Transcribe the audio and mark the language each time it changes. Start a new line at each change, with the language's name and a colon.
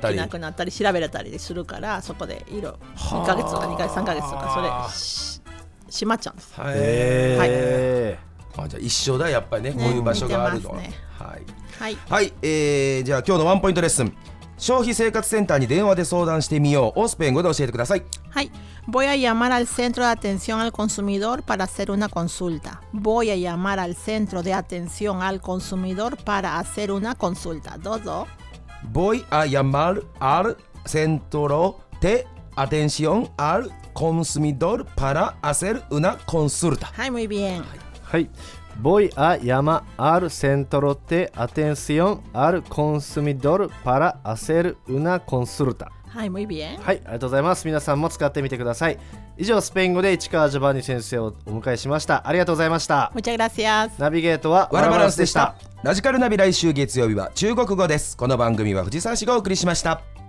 Japanese: できなくなったり調べれたりするから、そこで色1ヶ月とか2ヶ月3ヶ月とかそれ閉まっちゃうんです。へー、はい、あ、じゃあ一緒だやっぱりね、こういう場所があるの、ね、はい、はい、はい、じゃあ今日のワンポイントレッスン、消費生活センターに電話で相談してみようをスペイン語で教えてください。はい。
Spanish: Voy a llamar al centro de atención al consumidor para hacer una consulta. Voy a llamar al centro de atención al consumidor para hacer una consulta.
Japanese: どうぞ。
Spanish: Voy a llamar al centro de atención al consumidor para hacer una consulta.
Japanese: はい、
Spanish: muy bien。
Japanese: はい。
Spanish: Voy a llamar al centro de atención al consumidor para hacer una consulta.
Japanese: はい、
Spanish: muy bien.
Japanese: はい、ありがとうございます。皆さんも使ってみてください。以上、スペイン語で市川ジョバンニ先生をお迎えしました。ありがとうございました。
Spanish: Muchas gracias.
Japanese: ナビゲートはワラバランスでした。ラジカルナビ、来週月曜日は中国語です。この番組は藤沢市がお送りしました。